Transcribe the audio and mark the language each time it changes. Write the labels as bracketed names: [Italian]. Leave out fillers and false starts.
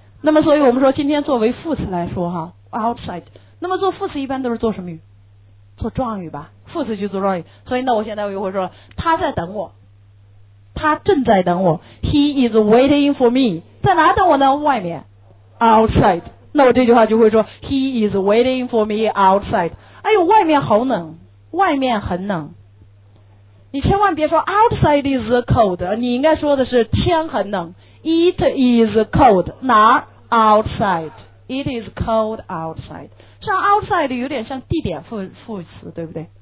[Chinese] 那么所以我们说今天作为副词来说哈， outside， 那么做副词一般都是做什么语？做状语吧，副词就做状语。所以那我现在我就会说他在等我，他正在等我， [English] he is waiting for me。 [Chinese] 在哪等我呢？外面， outside。那我这句话就会说 [English] he is waiting for me outside。 [Chinese] 哎呦，外面好冷，外面很冷。你千万别说 [English] outside is cold， [Chinese] 你应该说的是天很冷， [English] it is cold。 [Chinese] 哪？ [English] outside。 it is cold outside。 [Chinese] 像 outside 有点像地点 副词，对不对？